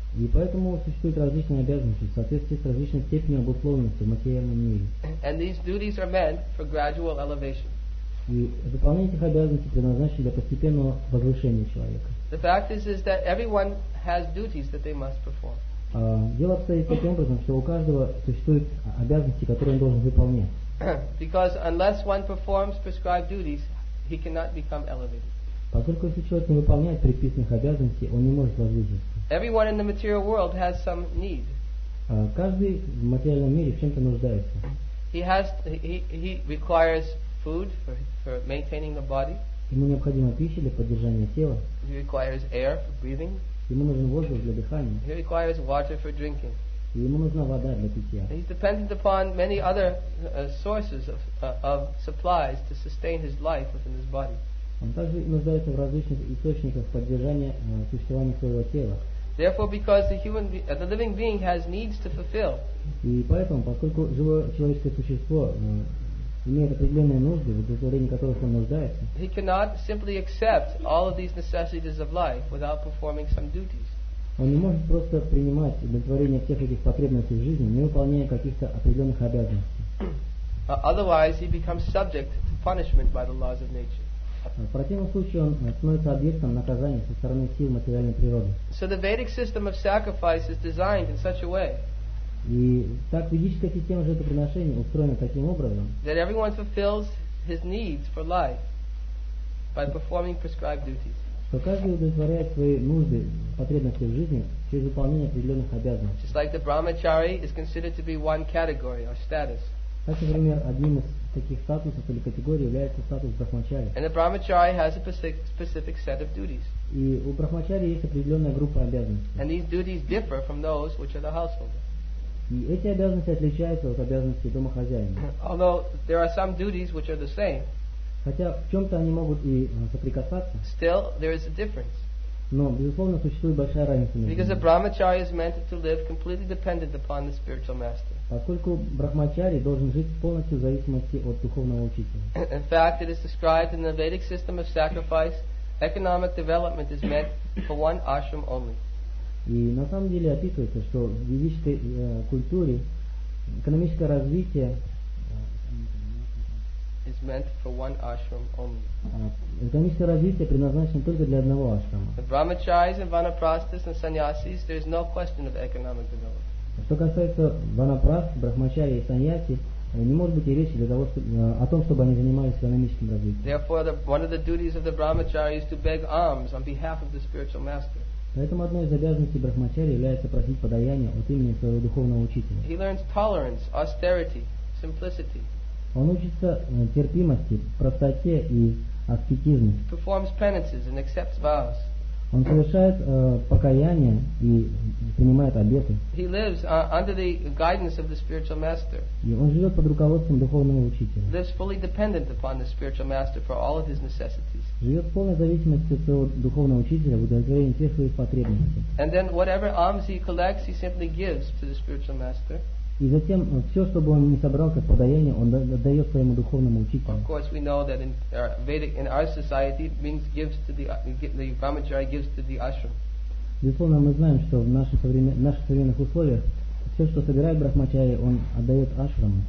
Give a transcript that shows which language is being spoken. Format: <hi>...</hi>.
<ru>И поэтому существуют различные обязанности в соответствии с различной степенью обусловленности в материальном мире.</ru> <en>And these duties are meant for gradual elevation.</en> <ru>И выполнение этих обязанностей предназначено для постепенного возвышения человека.</ru> <en>The fact is that everyone has duties that they must perform.</en> <ru>Дело обстоит таким образом, что у каждого существуют обязанности, которые он должен выполнять.</ru> <en>Because unless one performs prescribed duties, he cannot become elevated.</en> <ru>Поскольку если человек не выполняет предписанных обязанностей, он не может возвыситься.</ru> <en>Everyone in the material world has some need.</en> <ru>Каждый в материальном мире в чем-то нуждается.</ru> <en>He requires food for maintaining the body.</en> <ru>Ему необходима пища для поддержания тела.</ru> <en>He requires air for breathing.</en> <ru>Ему нужен воздух для дыхания.</ru> <en>He requires water for drinking.</en> <ru>И ему нужна вода для питья.</ru> <en>He's dependent upon many other sources of supplies to sustain his life within his body.</en> <ru>Он также нуждается в различных источниках поддержания существования своего тела.</ru> <en>Therefore, because the living being has needs to fulfill.</en> <ru>И поэтому, поскольку живое человеческое существо имеет определенные нужды, в удовлетворении которых он нуждается,</ru> <en>he cannot simply accept all of these necessities of life without performing some duties.</en> <ru>Он не может просто принимать удовлетворение всех этих потребностей в жизни, не выполняя каких-то определенных обязанностей.</ru> <en>Otherwise, he becomes subject to punishment by the laws of nature.</en> <ru>В противном случае он становится объектом наказания со стороны сил материальной природы.</ru> <en>So the Vedic system of sacrifice is designed in such a way.</en> <ru>И так ведическая система жертвоприношения устроена таким образом,</ru> <en>that everyone fulfills his needs for life by performing prescribed duties.</en> <ru>Что каждый удовлетворяет свои нужды, потребности в жизни через выполнение определенных обязанностей.</ru> <en>Just like the brahmachari is considered to be one category or status.</en> <ru>Так, например, одним из таких статусов или категорий является статус брахмачари.</ru> <en>And the brahmachari has a specific set of duties.</en> <ru>И у брахмачари есть определенная группа обязанностей.</ru> <en>And these duties differ from those which are the householder.</en> <ru>И эти обязанности отличаются от обязанностей домохозяина.</ru> <en>Although there are some duties which are the same.</en> <ru>Хотя в чем-то они могут и соприкасаться.</ru> <en>Still, there is a difference.</en> <ru>Но, безусловно, существует большая разница между.</ru> <en>Because a brahmachari is meant to live completely dependent upon the spiritual master.</en> <ru>Поскольку брахмачари должен жить полностью в зависимости от духовного учителя.</ru> <en>In fact, it is described in the Vedic system of sacrifice, economic development is meant for one ashram only.</en> <ru>И на самом деле описывается, что в ведической культуре экономическое развитие</ru> <en>is meant for one ashram only.</en> <ru>Экономическое развитие предназначено только для одного ашрама.</ru> <en>The brahmacharis and vanaprasthas and sannyasis, there is no question of economic development.</en> <ru>Что касается ванапраст, брахмачари и саньяси, не может быть и речи для того, о том, чтобы они занимались экономическим развитием.</ru> <en>Therefore, one of the duties of the brahmacharis is to beg alms on behalf of the spiritual master.</en> <ru>Поэтому одной из обязанностей брахмачари является просить подаяние от имени своего духовного учителя.</ru> <en>He learns tolerance, austerity, simplicity.</en> <ru>Он учится терпимости, простоте и аскетизму.</ru> <en>He performs penances and accepts vows.</en> <ru>Он совершает покаяние и принимает обеты.</ru> <en>He lives under the guidance of the spiritual master.</en> <ru>И он живет под руководством духовного учителя.</ru> <en>Lives fully dependent upon the spiritual master for all of his necessities.</en> <ru>Живет в полной зависимости от своего духовного учителя в удовлетворении всех своих потребностей.</ru> <en>And then whatever alms he collects, he simply gives to the spiritual master.</en> <ru>И затем все, что бы он ни собрал как подаяние, он отдает своему духовному учителю.</ru> <en>Of course, we know that in our society, it means gives to the brahmachari gives to the ashram.</en> <ru>Безусловно, мы знаем, что в наших современных условиях все, что собирает брахмачари, он отдает ашраму.</ru>